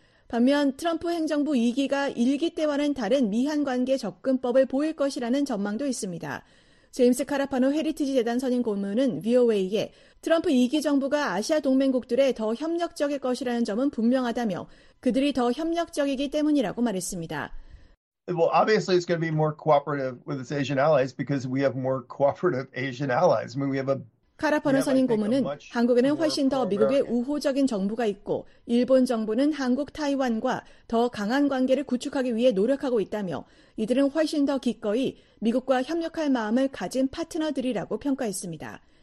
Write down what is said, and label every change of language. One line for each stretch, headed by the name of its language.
Korean: 반면 트럼프 행정부 2기가 1기 때와는 다른 미한관계 접근법을 보일 것이라는 전망도 있습니다. 제임스 카라파노 헤리티지 재단 선임 고문은 VOA에 트럼프 2기 정부가 아시아 동맹국들에 더 협력적일 것이라는 점은 분명하다며 그들이 더 협력적이기 때문이라고 말했습니다.
English: Well, obviously, it's going to be more cooperative with its Asian allies because we have more cooperative Asian allies. I mean, we have a.
Korean: 카라파노 선임 고문은 한국에는 훨씬 더 미국의 우호적인 정부가 있고 일본 정부는 한국 타이완과 더 강한 관계를 구축하기 위해 노력하고 있다며 이들은 훨씬 더 기꺼이 미국과 협력할 마음을 가진 파트너들이라고 평가했습니다.